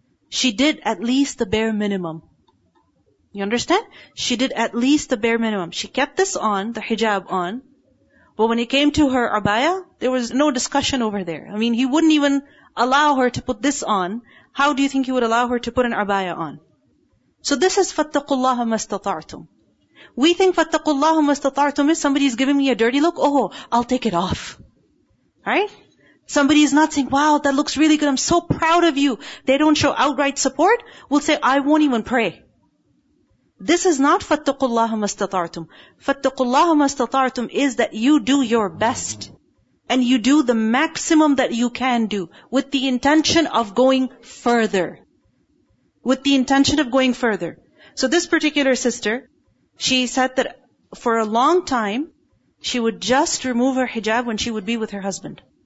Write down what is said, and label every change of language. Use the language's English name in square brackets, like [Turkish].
[English] She did at least the bare minimum. You understand? She did at least the bare minimum. She kept this on, the hijab on. But when it came to her abaya, there was no discussion over there. I mean, he wouldn't even allow her to put this on. How do you think he would allow her to put an abaya on? So this is [Arabic] فَاتَّقُوا اللَّهَ مَا اسْتَطَعْتُمْ. [English] We think [Arabic] فَاتَّقُوا اللَّهَ مَا اسْتَطَعْتُمْ [English] is somebody is giving me a dirty look. Oh, I'll take it off. Right? Somebody is not saying, wow, that looks really good. I'm so proud of you. They don't show outright support. We'll say, I won't even pray. This is not [Arabic] فَاتَّقُوا اللَّهَ مَا اسْتَطَعْتُمْ. فَاتَّقُوا اللَّهَ مَا اسْتَطَعْتُمْ [English] is that you do your best. And you do the maximum that you can do with the intention of going further. With the intention of going further. So this particular sister, she said that for a long time, she would just remove her hijab when she would be with her husband.